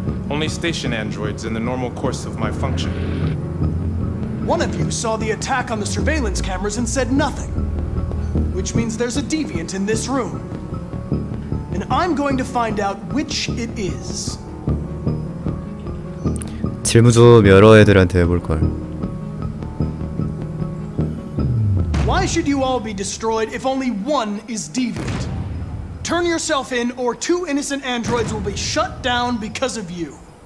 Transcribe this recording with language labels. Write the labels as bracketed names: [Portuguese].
[English] Only station androids in the normal course of my function. One of you saw the attack on the surveillance cameras and said nothing. Which means there's a deviant in this room. And I'm going to find out which it is. [Korean] 질문 좀 여러 애들한테 해볼 걸. [English] Why should you all be destroyed if only one is deviant? Turn yourself in or two innocent androids will be shut down because of you.